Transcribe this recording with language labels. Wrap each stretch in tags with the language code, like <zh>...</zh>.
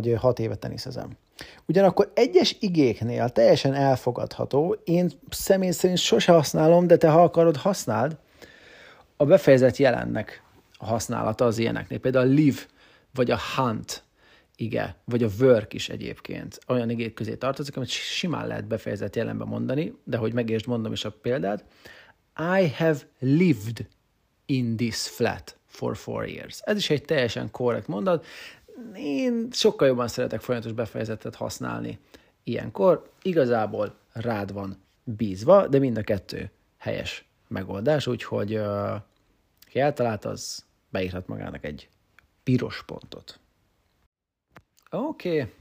<hu>Vagy 6 éve teniszezem. Ugyanakkor egyes igéknél teljesen elfogadható, én személy szerint sose használom, de te ha akarod, használd, a befejezett jelennek a használata az ilyeneknél. Például a live, vagy a hunt, ige, vagy a work is egyébként olyan igék közé tartozik, amit simán lehet befejezett jelenben mondani, de hogy megértsd, mondom is a példát.</hu> <en>I have lived in this flat for 4 years.</en> <hu>Ez is egy teljesen korrekt mondat. Én sokkal jobban szeretek folyamatos befejezetet használni ilyenkor. Igazából rád van bízva, de mind a kettő helyes megoldás, úgyhogy ki eltalált, az beírhat magának egy piros pontot. Oké.</hu>